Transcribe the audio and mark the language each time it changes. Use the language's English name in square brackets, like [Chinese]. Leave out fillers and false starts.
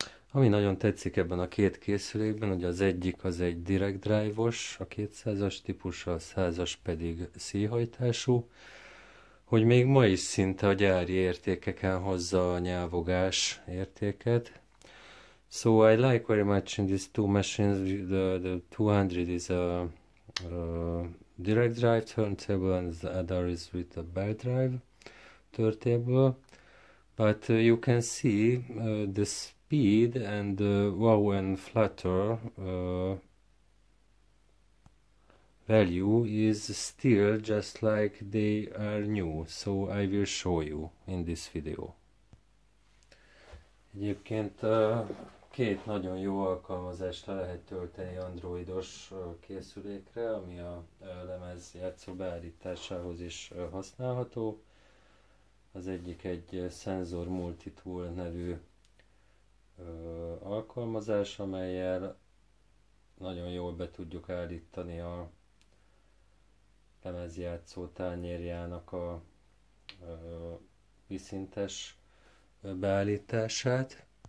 [Hungarian] Ami nagyon tetszik ebben a két készülékben, hogy az egyik az egy direct drive-os, a 200-as típus, a 100-as pedig szíjhajtású, hogy még ma is szinte a gyári értékeken hozza a nyávogás értéket. [English] So I like very much in these two machines. The 200 is a direct drive turntable and the other is with a belt drive turntable. But you can see the speed and the wow and flutter value is still just like they are new. So I will show you in this video. [Hungarian] Egyébként két nagyon jó alkalmazást le lehet tölteni androidos készülékre, ami a lemez játszó beállításához is használható. Az egyik egy Sensor Multitool nevű alkalmazás, amelyel nagyon jól be tudjuk állítani a lemezjátszó tányérjának a viszintes beállítását.